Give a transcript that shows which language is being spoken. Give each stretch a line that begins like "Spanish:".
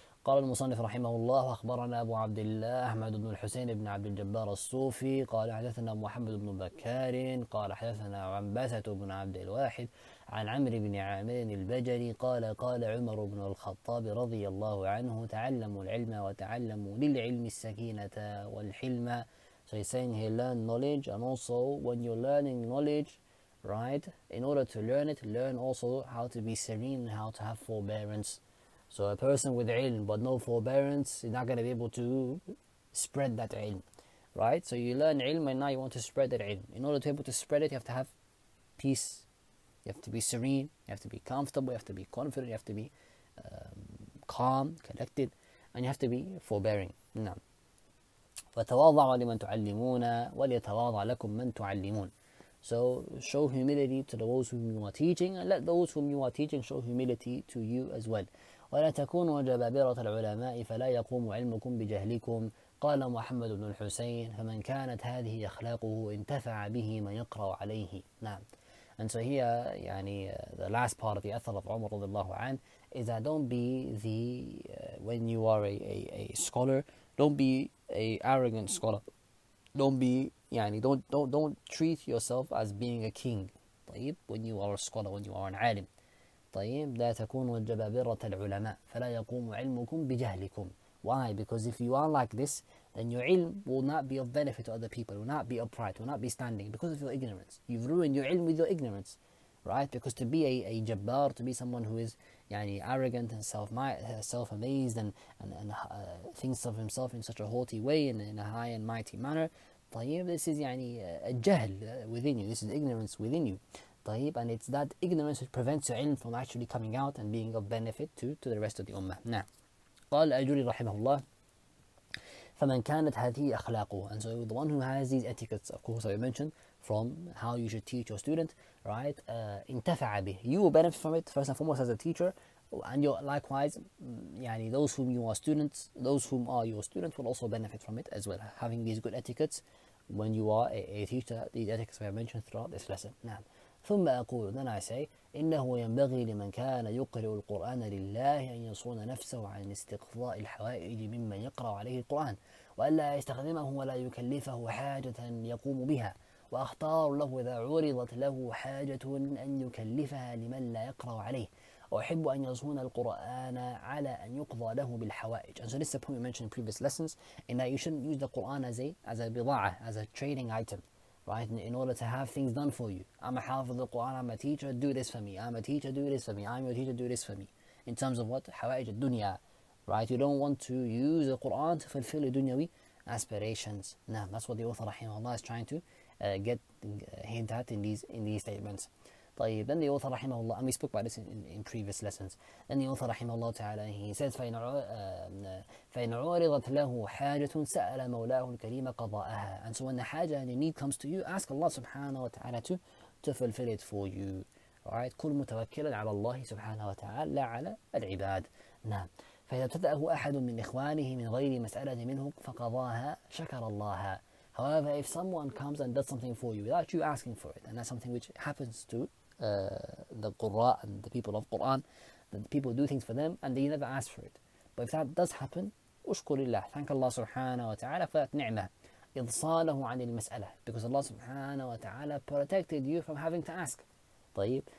Arabic: قال المصنف رحمه الله أخبرنا أبو عبد الله أحمد بن الحسين بن عبد الجبار الصوفي قال حدثنا محمد بن بكار قال حدثنا عنبسة بن عبد الواحد عن عمرو بن عامر البجلي قال قال عمر بن الخطاب رضي الله عنه تعلموا العلم وتعلموا للعلم السكينة والحلمة.
English: So he's saying he learned knowledge, and also when you're learning knowledge, right, in order to learn it, learn also how to be serene and how to have forbearance. So a person with ilm but no forbearance is not going to be able to spread that ilm, right? So you learn ilm and now you want to spread that ilm. In order to be able to spread it, you have to have peace. You have to be serene. You have to be comfortable. You have to be confident. You have to be calm, collected. And you have to be forbearing.
Arabic: نعم. فَتَوَاضَعَ لِمَنْ تُعَلِّمُونَ وَلِيَتَوَاضَعَ لَكُمْ مَنْ تُعَلِّمُونَ.
English: So show humility to those whom you are teaching, and let those whom you are teaching show humility to you as well.
Arabic: ولا تكونوا جبابرة العلماء فلا يقوم علمكم بجهلكم. قال محمد بن الحسين فمن كانت هذه أخلاقه انتفع به من يقرأ عليه. نعم.
English: And so here, the last part of the Athar of Umar رضي الله عنه is that don't be the, when you are a scholar, don't be a arrogant scholar. Don't be, don't treat yourself as being a king.
Arabic: طيب,
English: when you are a scholar, when you are an alim.
Arabic: طيب, لا تكونوا جبابرة العلماء فلا يقوم علمكم بجهلكم.
English: Why? Because if you are like this, then your ilm will not be of benefit to other people, will not be upright, will not be standing because of your ignorance. You've ruined your ilm with your ignorance, right? Because to be a jabbar, to be someone who is arrogant and self-amazed and thinks of himself in such a haughty way and in a high and mighty manner,
Arabic: طيب,
English: this is a jahl within you, this is ignorance within you.
Arabic: طيب,
English: and it's that ignorance which prevents your ilm from actually coming out and being of benefit to the rest of the ummah. Now,
Arabic: قال أجري رحمه الله فمن كانت هذه أخلاقه.
English: And so the one who has these etiquettes, of course, that we mentioned from how you should teach your student, right,
Arabic: انتفع به,
English: you will benefit from it first and foremost as a teacher, and you're likewise, those whom you are students, those whom are your students will also benefit from it as well, having these good etiquettes when you are a teacher, these etiquettes we have mentioned throughout this lesson.
Arabic: نعم. ثم أقول,
English: then I say,
Arabic: إنه ينبغي لمن كان يقرأ القرآن لله أن يصون نفسه عن استقضاء الحوائج ممن يقرأ عليه القرآن وأن لا يستخدمه ولا يكلفه حاجة يقوم بها, وأختار له إذا عرضت له حاجة أن يكلفها لمن لا يقرأ عليه, وأحب أن يصون القرآن على أن يقضى له بالحوائج.
English: And so this is the point we mentioned in previous lessons, in that you shouldn't use the Quran as a بضاعة, as a trading item. Right, in order to have things done for you. I'm a half of the Quran, I'm a teacher, do this for me. I'm a teacher, do this for me. I'm your teacher, do this for me. In terms of what?
Arabic: حوائج الدنيا.
English: Right, you don't want to use the Quran to fulfill your dunyawi aspirations. Now, that's what the author rahimahullah is trying to hint at in these statements.
Arabic: طيب,
English: then the author rahimahullah, and we spoke about this in previous lessons. Then the author rahimahullah ta'ala, he says,
Arabic: فَإِنْ عُرِضَتْ لَهُ حَاجَةٌ سَأَلَ مَوْلَاهُ الْكَرِيمَ قَضَاءَهَا.
English: And so when the haja and the need comes to you, ask Allah subhanahu wa ta'ala to to fulfill it for you. Right?
Arabic: كُلْ مُتَوَكِّلًا عَلَى اللَّهِ سُبْحَانَهُ وَتَعَالَى لَا عَلَى الْعِبَادِ. نعم. فإذا ابتدأه أحد من إخوانه من غير مسألة منه فقضاها شكر الله.
English: However, if someone comes and does something for you without you asking for it, and that's something which happens to the Qurra and the people of Quran, that people do things for them and they never ask for it. But if that does happen,
Arabic: أشكر الله.
English: Thank Allah سبحانه وتعالى for that ni'mah.
Arabic: إضصاله عن المسألة.
English: Because Allah سبحانه وتعالى protected you from having to ask.
Arabic: طيب.